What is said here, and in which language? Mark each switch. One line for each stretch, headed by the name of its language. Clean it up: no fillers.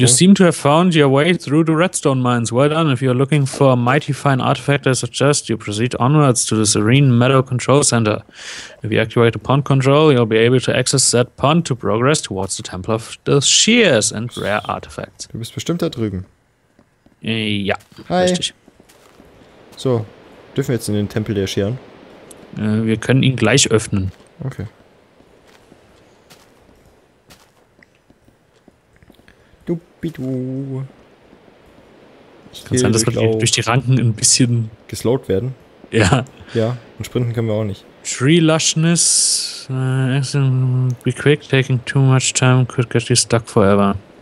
English: You seem to have found your way through the redstone mines. Well done. If you're looking for a mighty fine artifact, I suggest you proceed onwards to the Serene Meadow Control Center. If you activate a pond control, you'll be able to access that pond to progress towards the Temple of the Shears and rare artifacts.
German: Du bist bestimmt da drüben. Ja, hi. Richtig. So, dürfen wir jetzt in den Tempel der Scheren? Wir können ihn gleich öffnen. Okay. Dupidu. Kann sein, dass wir durch die Ranken ein bisschen geslowt werden. Ja. Ja, und sprinten können wir auch nicht.
English: Tree lushness. Be quick, taking too much time could get you stuck forever.